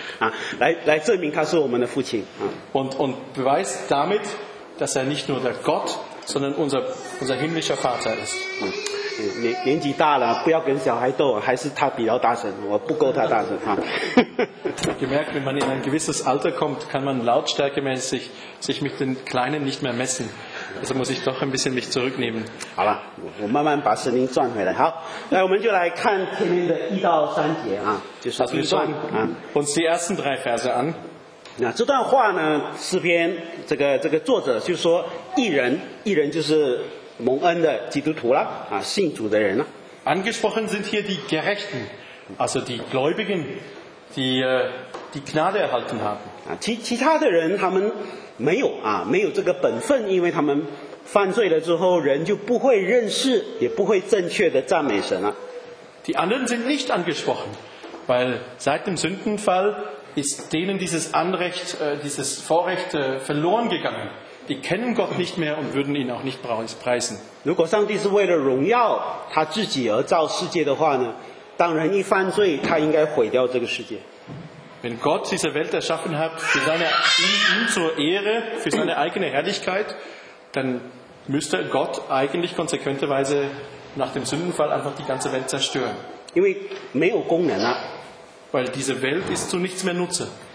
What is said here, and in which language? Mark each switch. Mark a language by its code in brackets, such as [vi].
[zh] 啊，来证明他是我们的父亲。啊。 [de] Und beweist damit, dass er nicht nur der Gott, sondern unser himmlischer Vater ist. [zh] 年纪大了，不要跟小孩斗，还是他比较大声，我不够他大声哈。 [de] Gemerkt, wenn man in ein gewisses Alter kommt, kann man lautstärkemäßig sich mit den Kleinen nicht mehr messen. Also muss ich doch ein bisschen mich zurücknehmen. [zh] 好了，我慢慢把声音转回来。好，那我们就来看前面的一到三节啊，就是一段啊。 [de] Uns die ersten drei Verse an. [zh] 那这段话呢，诗篇这个作者就说一人就是。蒙恩的基督徒了啊，信主的人了。 [de] Angesprochen sind hier die Gerechten, also die Gläubigen, die Gnade erhalten haben. [zh] 其他的人他们没有啊，没有这个本分，因为他们犯罪了之后，人就不会认识，也不会正确的赞美神了。 [de] Die anderen sind nicht angesprochen, weil seit dem Sündenfall ist denen dieses Anrecht, dieses Vorrecht verloren gegangen. Die kennen Gott nicht mehr und würden ihn auch nicht preisen. [zh] 如果上帝是为了荣耀他自己而造世界的话呢, 当然一犯罪, 他应该毁掉这个世界。 [de] Wenn Gott diese Welt erschaffen hat, für seine, ihm zur Ehre, für seine eigene Herrlichkeit, dann müsste Gott eigentlich konsequenterweise nach dem Sündenfall einfach die ganze Welt zerstören. Weil diese Welt ist zu nichts mehr Nutze.